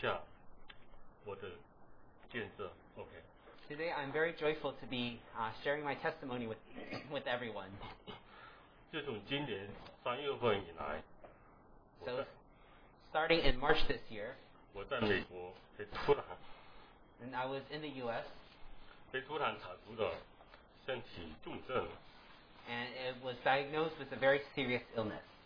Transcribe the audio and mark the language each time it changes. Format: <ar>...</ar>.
<zh>今天非常荣幸来到这里与大家分享我的见证。</zh> <en>OK。 Today I'm very joyful to be sharing my testimony with everyone.</en> <zh>自从今年3月份以来,</zh> <en>so starting in March this year,</en> <zh>我在美国被突然,</zh> <en>and I was in the US,</en> <zh>被突然查出了身体重症,</zh> <en>and it was diagnosed with a very serious illness.</en>